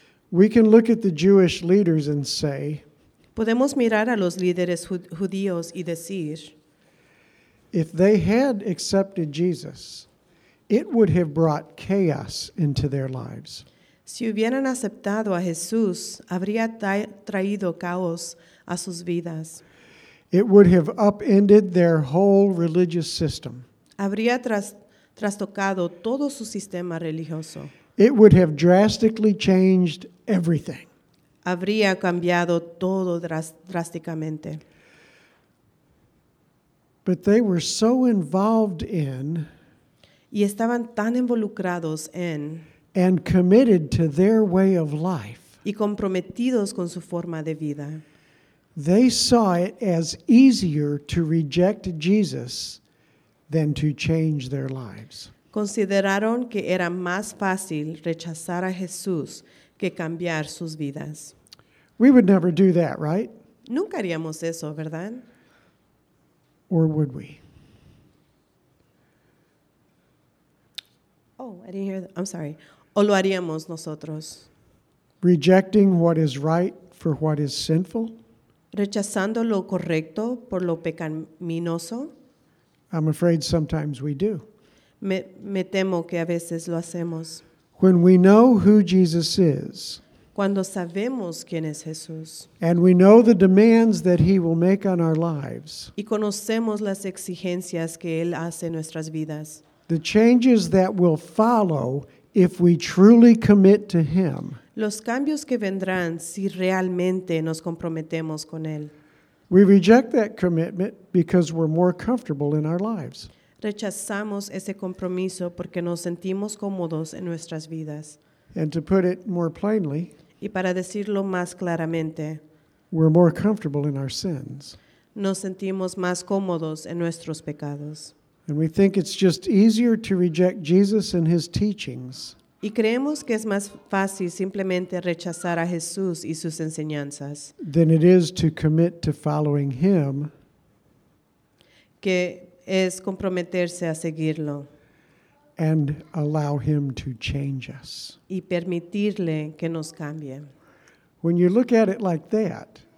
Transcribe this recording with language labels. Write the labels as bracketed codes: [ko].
[en] We can look at the Jewish leaders and say, [es] podemos mirar a los líderes judíos y decir, [en] if they had accepted Jesus, it would have brought chaos into their lives. [es] Si hubieran aceptado a Jesús, habría traído caos a sus vidas. [en] It would have upended their whole religious system. [es] Habría trastocado todo su sistema religioso. [en] It would have drastically changed everything. [es] Habría cambiado todo drásticamente. [en] But they were so involved in, [es] y estaban tan involucrados en, [en] and committed to their way of life, [es] y comprometidos con su forma de vida, [en] they saw it as easier to reject Jesus than to change their lives. [es] Consideraron que era más fácil rechazar a Jesús que cambiar sus vidas. [en] We would never do that, right? [es] Nunca haríamos eso, ¿verdad? [en] Or would we? Oh, I didn't hear that. I'm sorry. [es] ¿O lo haríamos nosotros? [en] Rejecting what is right for what is sinful? [es] Rechazando lo correcto por lo pecaminoso? [en] I'm afraid sometimes we do. [es] Me temo que a veces lo hacemos. [en] When we know who Jesus is, [es] cuando sabemos quién es Jesús, [en] and we know the demands that he will make on our lives, [es] y conocemos las exigencias que él hace en nuestras vidas, [en] the changes that will follow if we truly commit to him, [es] los cambios que vendrán si realmente nos comprometemos con él, [en] we reject that commitment because we're more comfortable in our lives. [es] Rechazamos ese compromiso porque nos sentimos cómodos en nuestras vidas. [en] And to put it more plainly, [es] y para decirlo más claramente, [en] we're more comfortable in our sins. [es] Nos sentimos más cómodos en nuestros pecados. [en] And we think it's just easier to reject Jesus and his teachings. [es] Y creemos que es más fácil simplemente rechazar a Jesús y sus enseñanzas [en] than it is to commit to following him. [es] Que es comprometerse a seguirlo. [en] And allow him to change us. [es] Y permitirle que nos cambie. [en] When you look at it like that,